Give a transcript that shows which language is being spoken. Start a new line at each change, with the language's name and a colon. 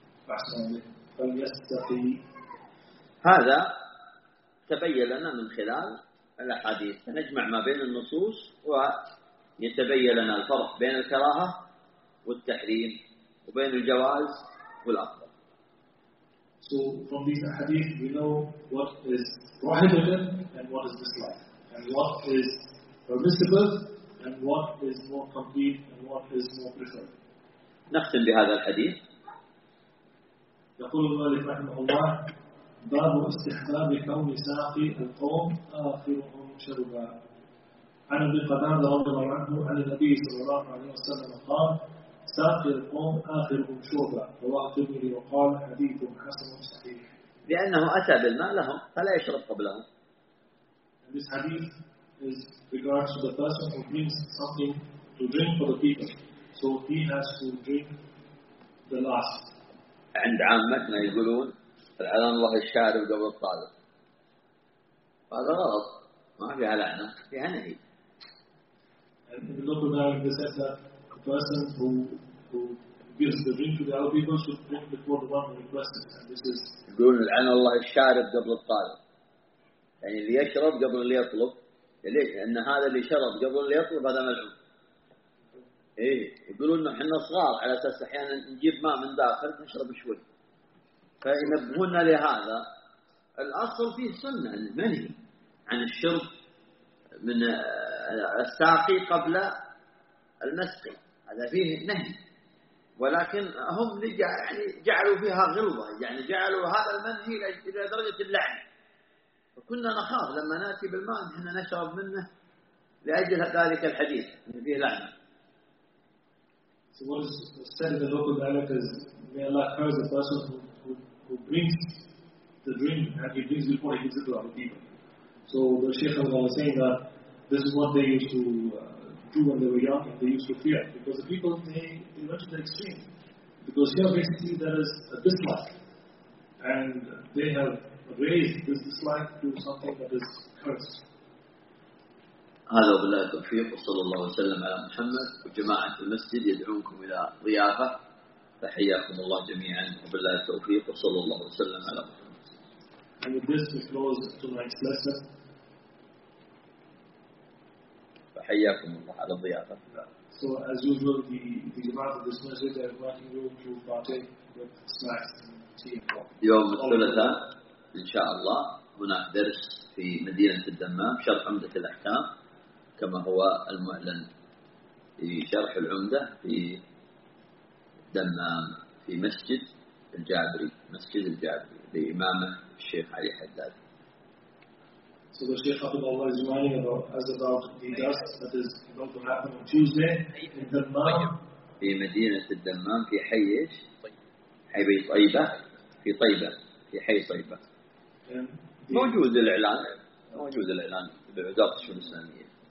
Arabic: أحسن الله فليستقي هذا تبين لنا من خلال الأحاديث فنجمع ما بين النصوص ويتبين لنا الفرق بين الكراهة والتحريم وبين الجواز والأفضل.
English: So from these hadith, we know what is prohibited and what is disliked, and what is permissible and what is more complete and what is more preferred.
Arabic: نختم بهذا الحديث. يقول المؤلف رحمه الله باب استحباب كون ساقي القوم آخرهم شربا. عن أبي قتادة رضي الله عنه عن النبي صلى الله عليه وسلم قال ساقي القوم آخرهم شربا رواه الترمذي وقال حديث حسن صحيح. لأنه أتى بالماء لهم فلا يشرب قبلهم.
English: And this hadith is regards to the person who brings something to drink for the people. So he has to drink the last.
Arabic: عند عامتنا يقولون فلعن الله الشارب قبل الطالب. هذا غلط. ما فيها لعنة فيها نهي.
English: And in the local dialect they said that person who gives the drink to the other people should drink before the one who requested. And this is.
Arabic: يقولون لعن الله الشارب قبل الطالب. يعني اللي يشرب قبل اللي يطلب. ليش؟ لأن هذا اللي شرب قبل اللي يطلب هذا ملعون. إيه يقولون إنه إحنا صغار على أساس أحيانا نجيب ماء من داخل نشرب شوي. فينبهونا لهذا. الأصل فيه سنة المنهي عن الشرب من الساقي قبل المسقي. هذا فيه نهي. ولكن هم يعني جعلوا فيها غلظة. يعني جعلوا هذا المنهي إلى درجة اللعنة. فكنا نخاف لما نأتي بالماء إحنا نشرب منه لأجل ذلك الحديث إن فيه لعنة.
English: So what is said in the local dialect is may Allah curse the person who brings the drink and he brings before he gives it to other people. So the Shaykh was saying that this is what they used to do when they were young and they used to fear because the people they went to the extreme. Because here basically there is a dislike and they have raised this dislike to something that is cursed.
Arabic: هذا وبالله التوفيق وصلى الله وسلم على محمد وجماعة المسجد يدعونكم إلى ضيافة فحياكم الله جميعا وبالله التوفيق وصلى الله وسلم على محمد.
English: And with this we close tonight's lesson.
Arabic: فحياكم الله على الضيافة.
English: So as usual the جماعة of this message are inviting you to partake with snacks and tea and coffee.
Arabic: يوم الثلاثاء إن شاء الله هناك درس في مدينة الدمام شرح عمدة الأحكام كما هو المعلن في شرح العمدة في دمام في مسجد الجابري مسجد الجابري لإمام الشيخ علي حداد.
English: So the Shaykh Abdul Allah is reminding about the dust that is going to happen on Tuesday in Dammam.
Arabic: في مدينة الدمام في حي إيش؟ حي بيت طيبة في طيبة في حي طيبة. موجود الإعلان موجود الإعلان بعدد شو الإسلامية.